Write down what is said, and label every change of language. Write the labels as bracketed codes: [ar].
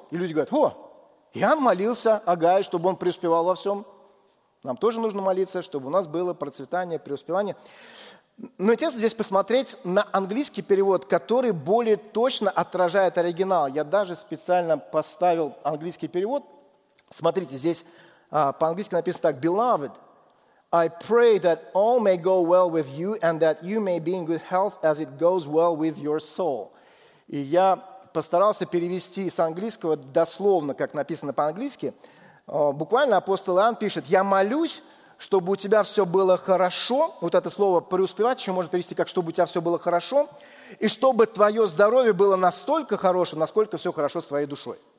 [ru] И люди говорят «о, Иоанн молился о Гае, чтобы он преуспевал во всем, нам тоже нужно молиться, чтобы у нас было процветание, преуспевание». Но интересно здесь посмотреть на английский перевод, который более точно отражает оригинал. Я даже специально поставил английский перевод. Смотрите, здесь по-английски написано так. [en] «Beloved, I pray that all may go well with you and that you may be in good health as it goes well with your soul». [ru] И я постарался перевести с английского дословно, как написано по-английски. Буквально апостол Иоанн пишет «Я молюсь, чтобы у тебя все было хорошо». Вот это слово «преуспевать» еще можно перевести как «чтобы у тебя все было хорошо». И чтобы твое здоровье было настолько хорошее, насколько все хорошо с твоей душой.